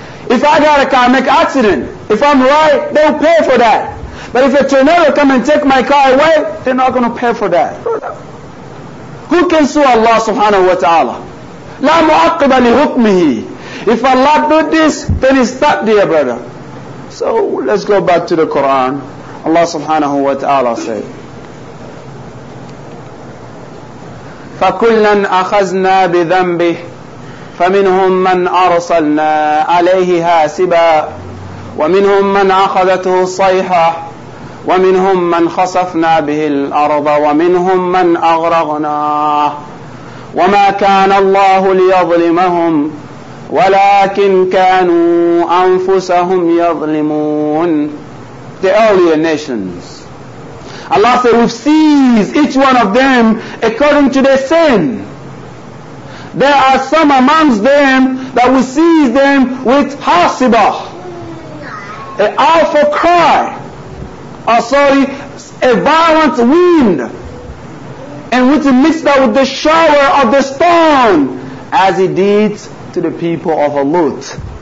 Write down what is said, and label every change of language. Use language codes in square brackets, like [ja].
[en] If I got a car, make accident, if I'm right, they'll pay for that. But if a tornado come and take my car away, they're not going to pay for that. Who can sue Allah subhanahu wa ta'ala? [ar] لا معقب لحكمه. [en] If Allah do this, then it's stuck there, brother. So let's go back to the Quran. Allah subhanahu wa ta'ala said, [ar] فَكُلًّا أَخَذْنَا بِذَنْبِهِ فَمِنْهُمْ مَنْ أَرْسَلْنَا عَلَيْهِ هَاسِبًا وَمِنْهُمْ مَنْ أَخَذَتُهُ صَيْحَةً وَمِنْهُمْ مَنْ خَسَفْنَا بِهِ الْأَرْضَ وَمِنْهُمْ مَنْ أَغْرَقْنَا وَمَا كَانَ اللَّهُ لِيَظْلِمَهُمْ وَلَكِنْ كَانُوا أَنفُسَهُمْ يَظْلِمُونَ. [en] The earlier nations, Allah said, we've seized each one of them according to their sin. There are some amongst them that we seize them with hasibah, an awful cry, or sorry, a violent wind, and which is mixed up with the shower of the storm, as it did to the people of Lut.